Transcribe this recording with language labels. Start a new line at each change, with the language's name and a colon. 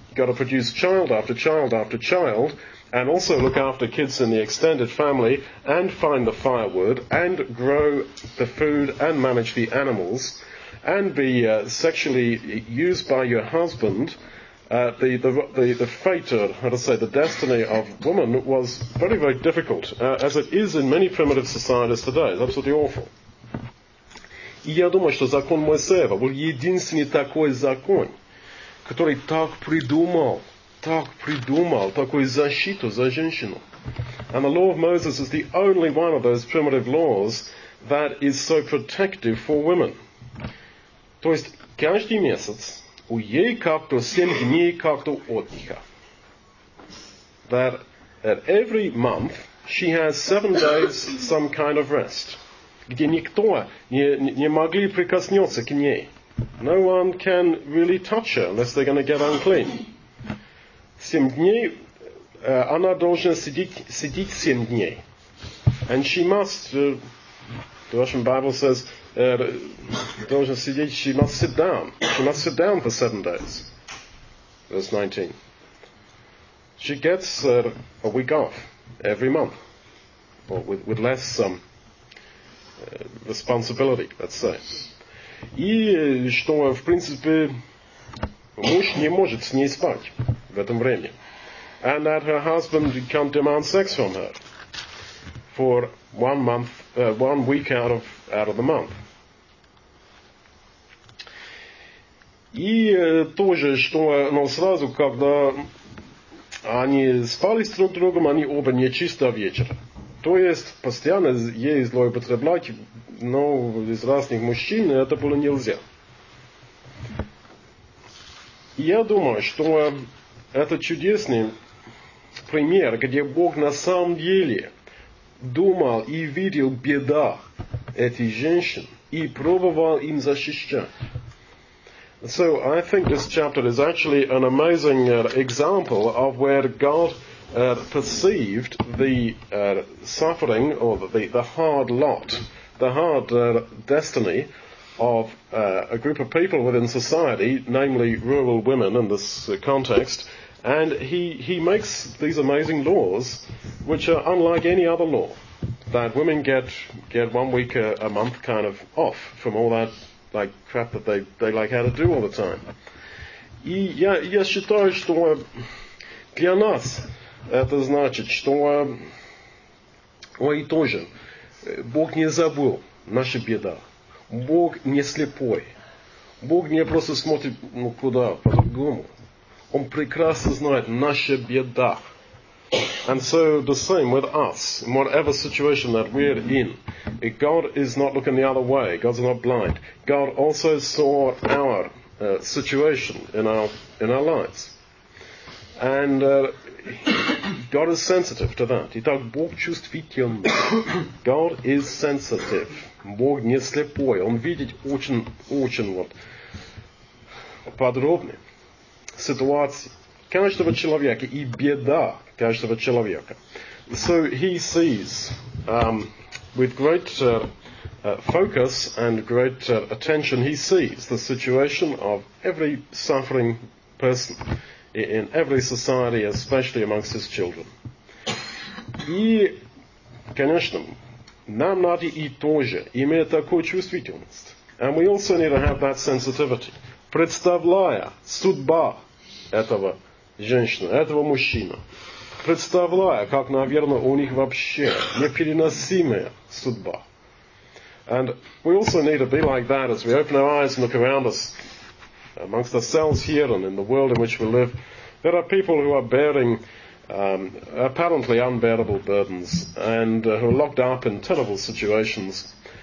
English: Got to produce child after child after child, and also look after kids in the extended family, and find the firewood, and grow the food, and manage the animals, and be sexually used by your husband. The fate, how to say, the destiny of woman was very, very difficult, as it is in many primitive societies today. It's absolutely awful.
Russian: И я думаю, что закон Моисеева был единственный такой закон, который так придумал такую защиту за женщину.
English: And the law of Moses is the only one of those primitive laws that is so protective for women.
Russian: То есть каждый месяц у ей как-то 7 дней как-то отдыха.
English: That every month she has 7 days some kind of rest,
Russian: где никто не могли прикоснуться к ней.
English: No one can really touch her unless they're going to get unclean.
Russian: 7 дней, она должна сидеть 7 дней.
English: And she must, the Russian Bible says,
Russian: должна сидеть,
English: she must sit down. She must sit down for 7 days. Verse 19. She gets a week off every month, or with less responsibility, let's say.
Russian: И что, в принципе, муж не может с ней спать в этом времени.
English: And that her husband can't demand sex from her for 1 month, 1 week out of the month.
Russian: И тоже, что, ну, сразу, когда они спали с друг другом, они оба нечисто вечер. То есть, постоянно ей злоупотреблять, но из разных мужчин это было нельзя. Я думаю, что это чудесный пример, где Бог на самом деле думал и видел беда этих женщин и пробовал им защищать.
English: So I think this chapter is actually an amazing example of where God perceived the suffering or the hard lot, the hard destiny of a group of people within society, namely rural women in this context, and he makes these amazing laws which are unlike any other law, that women get 1 week a month kind of off from all that like crap that they like how to do all the time.
Russian: Я считаю, что для нас это значит, что ой тоже Бог не забыл наши беда. Бог не слепой. Бог не просто смотрит ну куда по-другому. Он прекрасно знает наши беда.
English: And so the same with us, in whatever situation that we're in. God is not looking the other way. God's not blind. God also saw our situation in our lives. And God is sensitive to that.
Russian: Итак, Бог чувствителен.
English: God is sensitive.
Russian: Бог не слепой. Он видит очень-очень вот подробно ситуации каждого человека и беда каждого человека.
English: So he sees with great focus and great attention, he sees the situation of every suffering person in every society, especially amongst his children.
Russian: И, конечно, нам надо и тоже иметь такую чувствительность.
English: And we also need to have that sensitivity.
Russian: Представляя судьба этого женщины, этого мужчины, представляя, как, наверное, у них вообще непереносимая судьба.
English: And we also need to be like that as we open our eyes and look around us, amongst ourselves here and in the world in which we live. There are people who are bearing apparently unbearable burdens and who are locked up in terrible situations.